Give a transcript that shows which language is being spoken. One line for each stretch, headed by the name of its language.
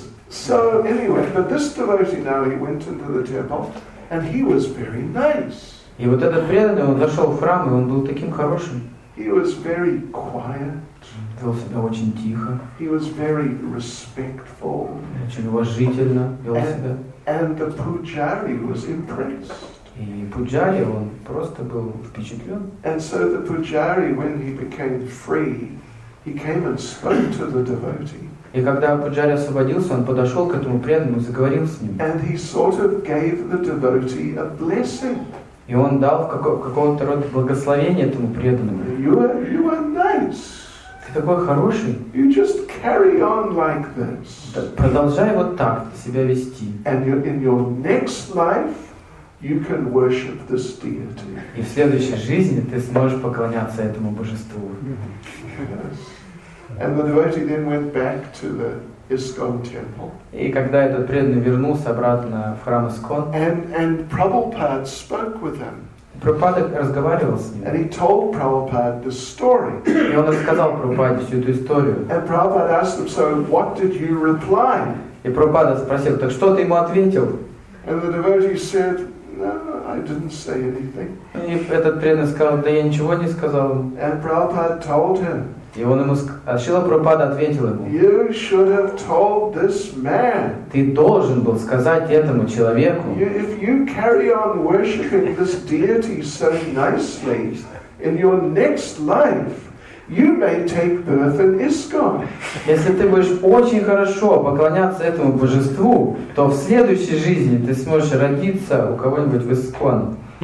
English: So anyway, but this devotee now he went into the temple and he was very nice.
Russian: И вот этот преданный, он зашел в храм, и он был таким хорошим.
English: He was very quiet.
Russian: Вел себя очень тихо.
English: He was very respectful.
Russian: Очень уважительно вел себя.
English: And the pujari was impressed.
Russian: И пуджари, он просто был впечатлен.
English: And so the pujari, when he became free, he came and spoke to the devotee.
Russian: И когда пуджари освободился, он подошел к этому преданному, заговорил с ним.
English: And he sort of gave the devotee a blessing.
Russian: И он дал какого-то рода благословение этому преданному.
English: You are nice.
Russian: Ты такой хороший.
English: You just carry on like this.
Russian: Да, продолжай вот так себя вести.
English: And you, in your next life, you can worship this deity.
Russian: И в следующей жизни ты сможешь поклоняться этому божеству.
English: Yes. And the devotee then went back to the ISKCON temple.
Russian: И когда этот преданный вернулся обратно в храм ISKCON,
English: and Prabhupada spoke with him.
Russian: Прабхупада разговаривал с ним.
English: And he told Prabhupada the story.
Russian: И он рассказал Прабхупаде всю эту историю.
English: And Prabhupada asked him, so what did you reply?
Russian: И Прабхупада спросил, так что ты ему ответил?
English: And the devotee said, no, I didn't say anything.
Russian: И этот преданный сказал, да я ничего не сказал.
English: And Prabhupada told him.
Russian: И он ему Шрила Прабхупада ответил ему:
English: You should have told this man.
Russian: Ты должен был сказать этому человеку.
English: If you carry on worshiping this deity so nicely, in your next life, you may take birth in ISKCON.
Russian: Если ты будешь очень хорошо поклоняться этому божеству, то в следующей жизни ты сможешь родиться у кого-нибудь в ИСККОН.